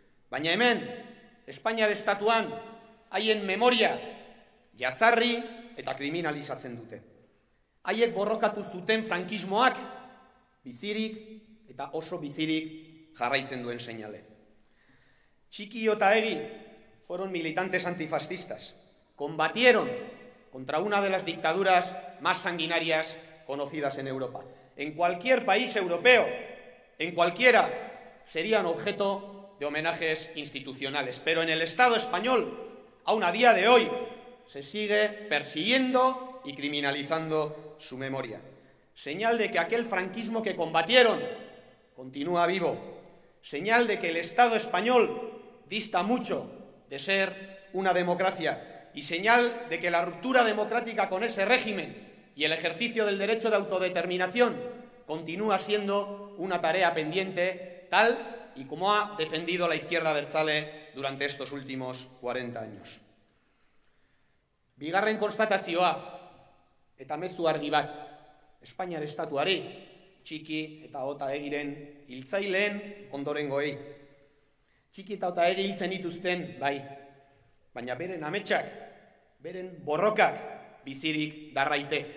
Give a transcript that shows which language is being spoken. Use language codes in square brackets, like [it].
[eu] Baina hemen, Espainiar estatuan, haien memoria jazarri eta kriminalizatzen dute. Haiek borrokatu zuten frankismoak bizirik eta oso bizirik jarraitzen duen seinale. [es] Txiki eta egi foron militantes antifascistas. Kombatieron contra una de las dictaduras más sanguinarias conocidas en Europa. En cualquier país europeo, en cualquiera, serían objeto de homenajes institucionales. Pero en el Estado español, aún a día de hoy, se sigue persiguiendo y criminalizando su memoria. Señal de que aquel franquismo que combatieron continúa vivo. Señal de que el Estado español dista mucho de ser una democracia. Y señal de que la ruptura democrática con ese régimen y el ejercicio del derecho de autodeterminación continúa siendo una tarea pendiente, tal y como ha defendido la izquierda abertzale durante estos últimos 40 años. [eu] Bigarren konstatazioa, eta mezu argi bat, Espainiar estatuari, txiki eta otaegiren hiltzaileen ondorengoei. Txiki eta otaegi hiltzen dituzten, bai, baina beren ametsak, beren borrokak bizirik darraite.